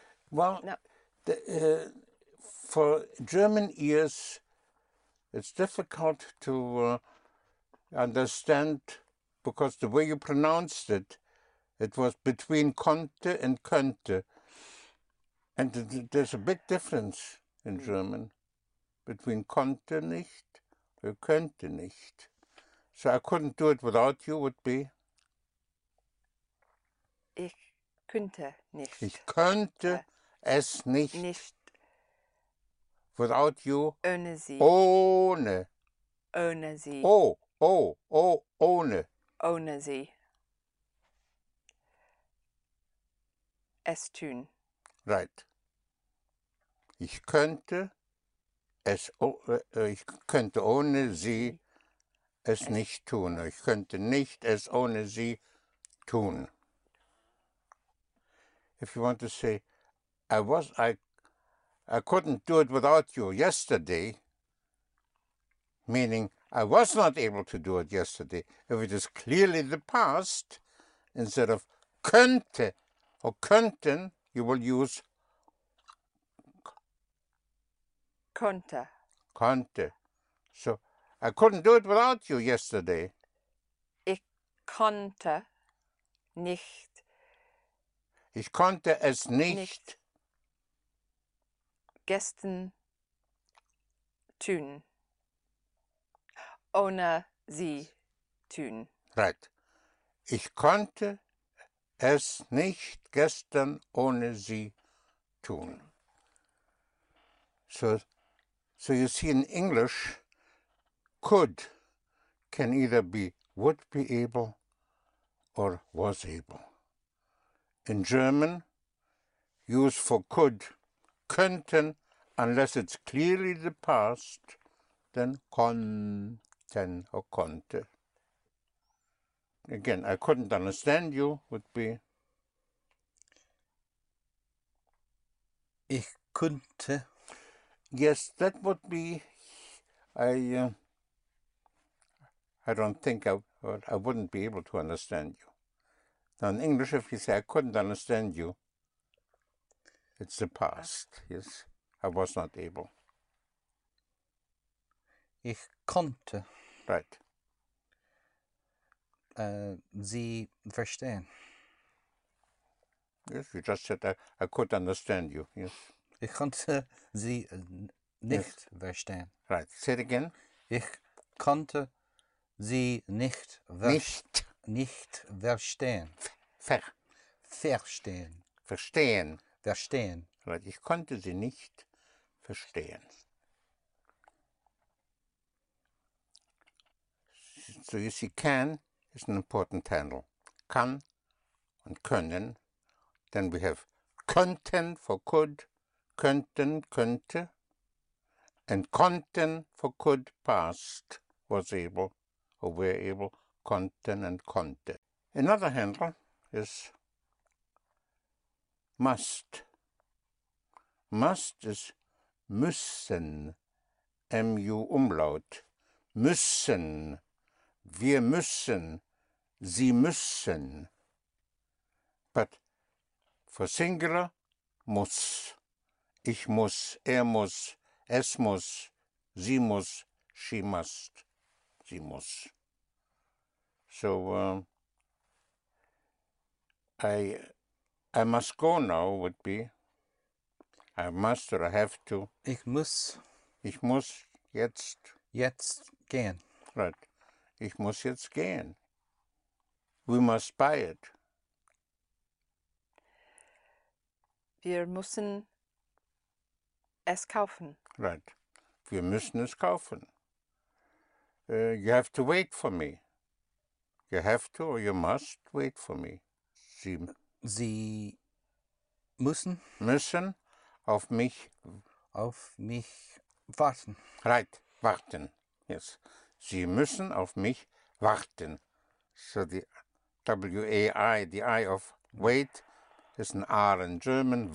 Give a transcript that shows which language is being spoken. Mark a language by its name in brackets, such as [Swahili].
[English] Well, no. For German ears, it's difficult to understand because the way you pronounced it, it was between konnte and könnte. And there's a big difference in German between konnte nicht or könnte nicht. So I couldn't do it without you would be? [German] Ich könnte nicht. Ich könnte es nicht. Nicht. [English] Without you? [German] Ohne Sie. Ohne. Ohne Sie. Ohne. Ohne Sie. Es tun. [English] Right. [German] Ich könnte es, ich könnte ohne Sie es nicht tun. Ich könnte nicht es ohne Sie tun. [English] If you want to say, I couldn't do it without you yesterday, meaning I was not able to do it yesterday. If it is clearly the past, instead of könnte or könnten, you will use [German] könnte. Könnte. [English] So, I couldn't do it without you yesterday. [German] Ich konnte nicht. Ich konnte es nicht. Gestern tun, ohne Sie tun. [English] Right. [German] Ich konnte es nicht gestern ohne Sie tun. [English] So you see in English, could can either be would be able or was able. In German, use for could, könnten, unless it's clearly the past, then konnten or konnte. Again, I couldn't understand you would be. [German] Ich könnte. [English] Yes, that would be. I don't think I wouldn't be able to understand you. Now in English, if you say I couldn't understand you, It's the past, yes. I was not able. [German] Ich konnte. [English] Right. [German] Sie verstehen. [English] Yes, you just said I could understand you, yes. [German] Ich konnte Sie nicht yes. verstehen. [English] Right. Say it again. [German] Ich konnte Sie nicht, nicht verstehen. Verstehen. Verstehen. Verstehen. [English] Right. [German] Ich konnte Sie nicht verstehen. [English] So you see, can is an important handle. [German] Kann und können. [English] Then we have könnten for could, könnten, könnte. And konnten for could, past, was able, or were able, konnten and konnte. Another handle is must. Must is müssen, M-U umlaut. [German] Müssen, wir müssen, sie müssen. [English] But for singular, muss. [German] Ich muss, er muss. Es muss, sie muss, [English] she must, [German] sie muss. [English] So, I must go now would be, I must or I have to. [German] Ich muss jetzt. Jetzt gehen. [English] Right. [German] Ich muss jetzt gehen. [English] We must buy it. [German] Wir müssen es kaufen. [English] Right. [German] Wir müssen es kaufen. [English] You have to wait for me. You have to or you must wait for me. [German] Sie müssen? Müssen auf mich. Auf mich warten. [English] Right. Warten. Yes. [German] Sie müssen auf mich warten. [English] So the W-A-I, the I of wait, is an R in German.